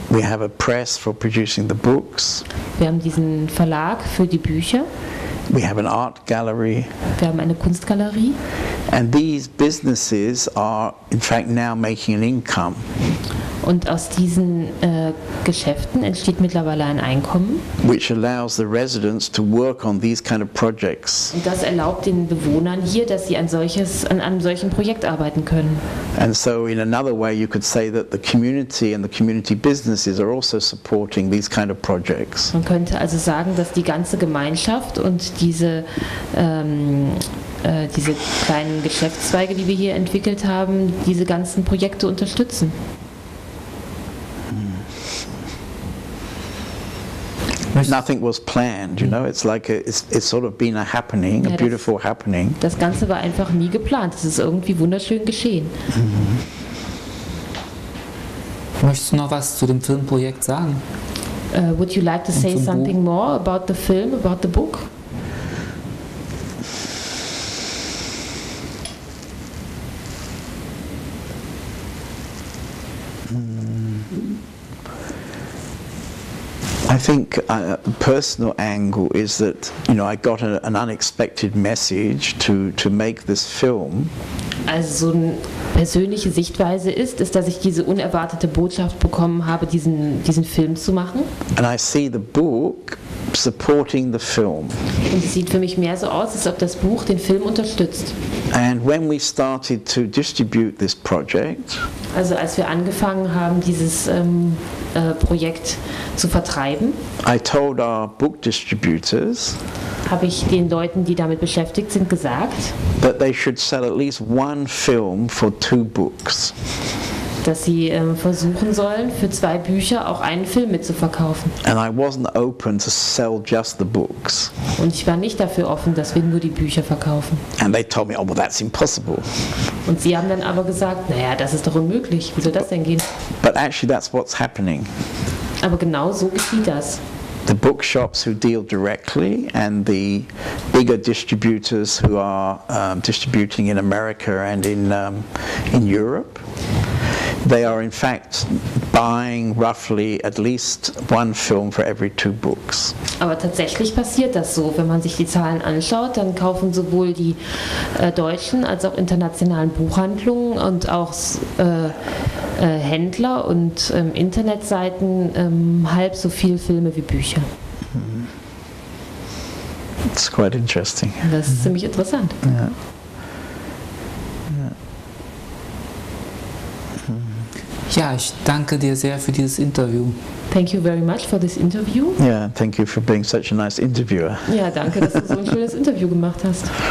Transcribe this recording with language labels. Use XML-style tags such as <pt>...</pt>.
<en>We have a press for producing the books.</en> <de>Wir haben diesen Verlag für die Bücher.</de> <en>We have an art gallery.</en> <de>Wir haben eine Kunstgalerie.</de> <en>And these businesses are in fact now making an income.</en> <de>Und aus diesen Geschäften entsteht mittlerweile ein Einkommen.</de> <en>Which allows the residents to work on these kind of projects.</en> <de>Und das erlaubt den Bewohnern hier, dass sie an einem solchen Projekt arbeiten können.</de> <en>And so in another way you could say that the community and the community businesses are also supporting these kind of projects.</en> <de>Man könnte also sagen, dass die ganze Gemeinschaft und diese kleinen Geschäftszweige, die wir hier entwickelt haben, diese ganzen Projekte unterstützen.</de> <en>Nothing was planned, you know. It's like it's sort of been a happening, a beautiful happening.</en> <de>Das Ganze war einfach nie geplant. Es ist irgendwie wunderschön geschehen. Möchtest du noch was zu dem Filmprojekt sagen?</de> <en>Would you like to say something more about the film, about the book? I think the personal angle is that, you know, I got an unexpected message to make this film.</en> <de>Also so eine persönliche Sichtweise ist, dass ich diese unerwartete Botschaft bekommen habe, diesen Film zu machen.</de> <en>And I see the book supporting the film.</en> <de>Und es sieht für mich mehr so aus, als ob das Buch den Film unterstützt.</de> <en>And when we started to distribute this project,</en> <de>also als wir angefangen haben, dieses Projekt zu vertreiben,</de> <en>I told our book distributors,</en> <de>habe ich den Leuten, die damit beschäftigt sind, gesagt,</de> <en>that they should sell at least one film for two books.</en> <de>Dass sie versuchen sollen, für zwei Bücher auch einen Film mitzuverkaufen.</de> <en>And I wasn't open to sell just the books.</en> <de>Und ich war nicht dafür offen, dass wir nur die Bücher verkaufen.</de> <en>And they told me, oh, well, that's impossible.</en> <de>Und sie haben dann aber gesagt, naja, das ist doch unmöglich. Wie soll das denn gehen?</de> <en>But actually, that's what's happening.</en> <de>Aber genau so geschieht das.</de> <en>The bookshops who deal directly and the bigger distributors who are distributing in America and in Europe, they are in fact buying roughly at least one film for every two books.</en> <de>Aber tatsächlich passiert das so. Wenn man sich die Zahlen anschaut, dann kaufen sowohl die deutschen als auch internationalen Buchhandlungen und auch Händler und Internetseiten halb so viel Filme wie Bücher.</de> <en>It's quite interesting.</en> <de>Das ist ziemlich interessant. Ja, ich danke dir sehr für dieses Interview.</de> <en>Thank you very much for this interview. Yeah, thank you for being such a nice interviewer.</en> <de>Ja, danke, dass du so ein schönes Interview gemacht hast.</de>